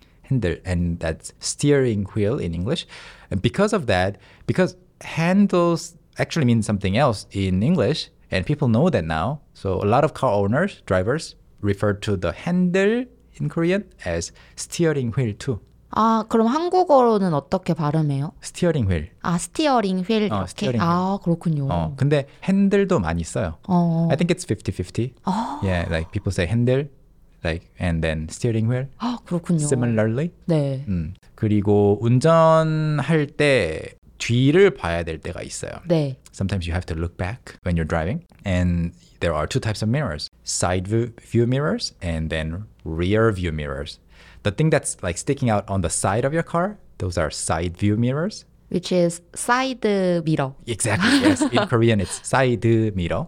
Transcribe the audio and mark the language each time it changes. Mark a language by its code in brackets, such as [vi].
[en] 핸들. And that's steering wheel in English. And because of that, because handles actually mean something else in English, and people know that now, so a lot of car owners, drivers, refer to the handle in Korean as steering wheel too. [ko] 아, 그럼 한국어로는 어떻게 발음해요? [en] Steering wheel. 아, steering wheel. 스티어링 휠. [ko] 아, 그렇군요. 근데 핸들도 많이 써요. [en] I think it's 50-50. [ko] 아. [en] Yeah, like people say handle, like, and then steering wheel. [ko] 아, 그렇군요. [en] Similarly. [ko] 네. 그리고 운전할 때 뒤를 봐야 될 때가 있어요. 네. [en] Sometimes you have to look back when you're driving. And there are two types of mirrors. Side view mirrors and then rear view mirrors. The thing that's like sticking out on the side of your car, those are side view mirrors. Which is side mirror. Exactly, yes. In Korean, it's side mirror.